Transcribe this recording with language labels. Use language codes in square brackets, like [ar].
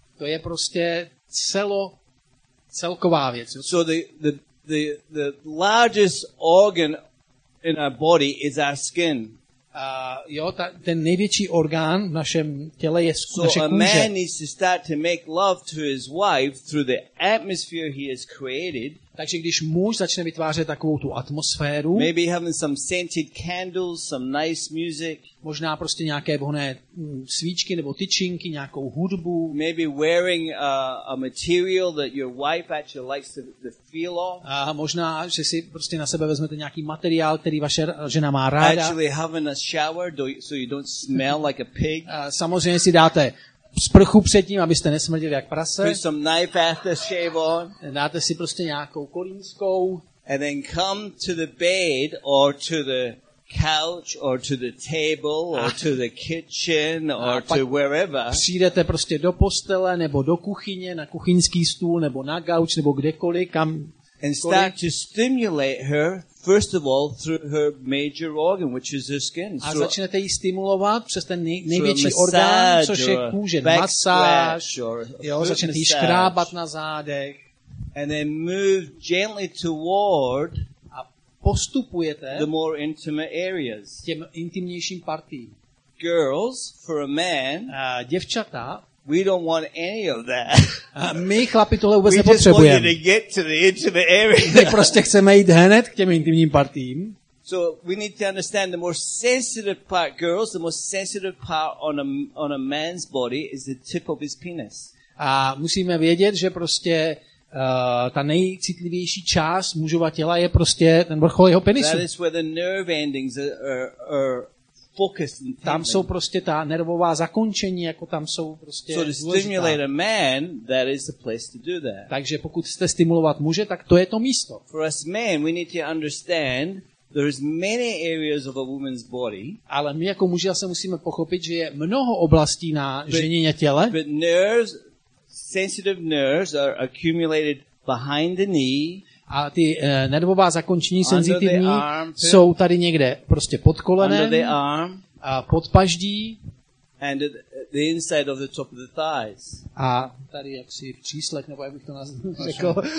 [cs] To je prostě celková věc. [en] So the largest organ in our body is our skin. [cs] Ten největší orgán v našem těle je [en] kůže. So a man needs to start to make love to his wife through the atmosphere he has created. [cs] Takže když muž začne vytvářet takovou tu atmosféru, [en] maybe having some scented candles, some nice music, [cs] možná prostě nějaké vhodné svíčky nebo tyčinky, nějakou hudbu, [en] maybe wearing a material that your wife actually likes the feel of, [cs] a možná že si prostě na sebe vezmete nějaký materiál, který vaše žena má ráda, [en] actually having a shower so you don't smell like a pig, [cs] a samozřejmě si dáte sprchu předtím, abyste nesmrděli jak prase. [en] Put some knife after shave on. [cs] Dáte si prostě nějakou kolínskou. [en] And then come to the bed or to the couch or to the table or to the kitchen or to wherever. [cs] Přijdete prostě do postele nebo do kuchyně, na kuchyňský stůl nebo na gauč nebo kdekoliv, kam. [en] And start to stimulate her. First of all, through her major organ, which is her skin. [cs] A začnete ji stimulovat přes ten největší orgán, což je kůže, masáž. Jo, začnete ji škrábat na zádech. [en] And then move gently toward [cs] a postupujete [en] the more intimate areas. [cs] Těm intimnějším partím. [en] Girls, for a man, [cs] a děvčata, [en] we don't want any of that. [cs] My chlapi tohle vůbec nepotřebujeme. [en] We just want you to get to the intimate area. [cs] My prostě chceme jít hned k těm intimním partím. [en] So we need to understand the more sensitive part, girls, the more sensitive part on a man's body is the tip of his penis. [cs] A musíme vědět, že prostě ta nejcitlivější část mužova těla je prostě ten vrchol jeho penisu. [en] That is where the nerve endings are. [cs] Tam jsou prostě ta nervová zakončení, jako tam jsou prostě. [en] So to stimulate a man, that is the place to do that. [cs] Takže pokud chcete stimulovat muže, tak to je to místo. [en] For us men, we need to understand there is many areas of a woman's body. [cs] Ale my jako muži se musíme pochopit, že je mnoho oblastí na ženině těle. [en] But nerves, sensitive nerves are accumulated behind the knee. [cs] A ty nervová zakončení senzitivní jsou tady někde prostě pod kolenem a pod paždí [en] and the inside of the top of the thighs. [cs] A tady jaksi příslek, nebo jak bych to řekl.